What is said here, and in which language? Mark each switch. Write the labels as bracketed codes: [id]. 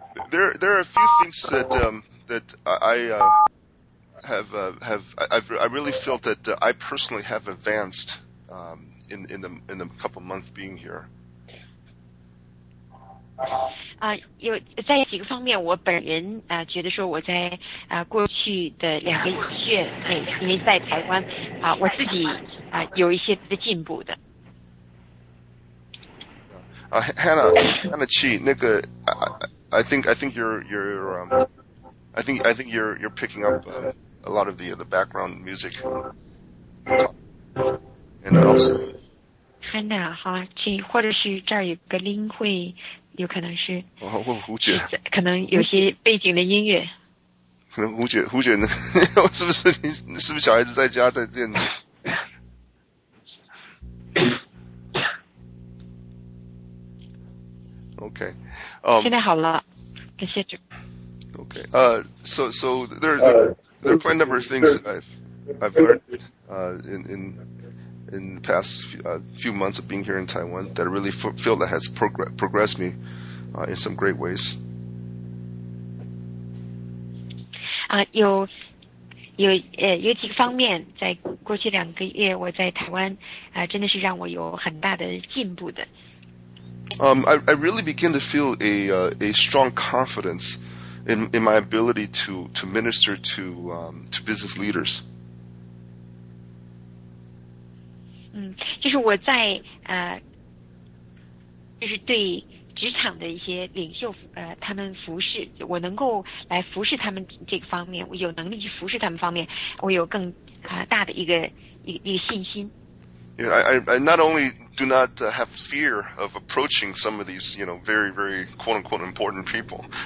[en] There are a few things that I really felt that I personally have advanced in the couple months being here. [zh] 有在几个方面，我本人觉得说我在过去的两个月内，因为在台湾我自己有一些的进步的。 [en] Hannah Chi, 那个 I think you're picking up a lot of the background music, and also [zh] Hannah 哈 Chi, 或者是这儿有个铃会，有可能是胡姐，可能有些背景的音乐。可能胡姐呢，是不是小孩子在家在练？ [en] Okay. [zh] 现在好了，感谢主。 [en] Okay. So there are quite a number of things that I've learned in the past few months of being here in Taiwan that I really feel that has progressed me in some great ways. [zh] 有几个方面，在过去两个月我在台湾真的是让我有很大的进步的。 [en] I really begin to feel a strong confidence in my ability to minister to business leaders. [zh] 就是我在就是对职场的一些领袖他们服侍，我能够来服侍他们这个方面，我有能力去服侍他们方面，我有更大的一个信心。 [en] Yeah, I not only do not have fear of approaching some of these, you know, very, very quote-unquote important people.